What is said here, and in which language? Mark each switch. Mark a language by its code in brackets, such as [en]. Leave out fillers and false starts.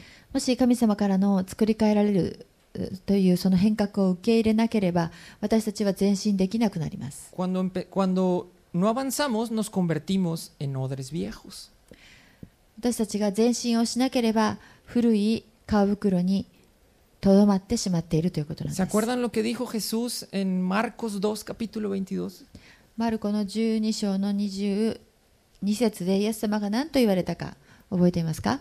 [ja] もし神様からの作り変えられるというその変革を受け入れなければ、私たちは前進できなくなります。 [es] Cuando no avanzamos, nos convertimos en odres viejos. [ja] 私たちが前進をしなければ古い皮袋にとどまってしまっているということなんです。 [es] ¿Se acuerdan lo que dijo Jesús en Marcos 2, capítulo 22? [ja] マルコの12章の22節でイエス様が何と言われたか覚えていますか?